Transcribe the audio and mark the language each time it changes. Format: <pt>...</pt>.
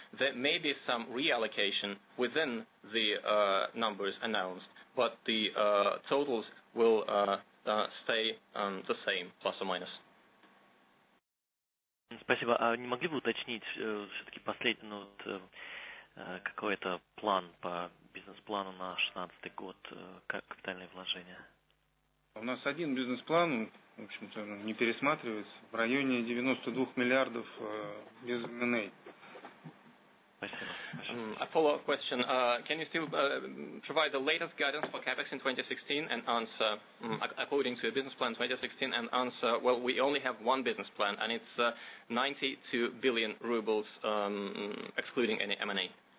<en>There may be some reallocation within the numbers announced, but the totals will stay the same, plus or minus.</en> <ru>Спасибо. А не могли бы уточнить все-таки последний, ну, вот, какой это план по бизнес-плану на 2016 год, капитальные вложения? У нас один бизнес-план, в общем-то, не пересматривается, в районе 92 миллиардов без M&A.</ru> <en>A follow-up question. Can you still provide the latest guidance for CapEx in 2016 and answer, according to a business plan 2016, and answer, well, we only have one business plan, and it's 92 billion rubles, excluding any M&A.</en>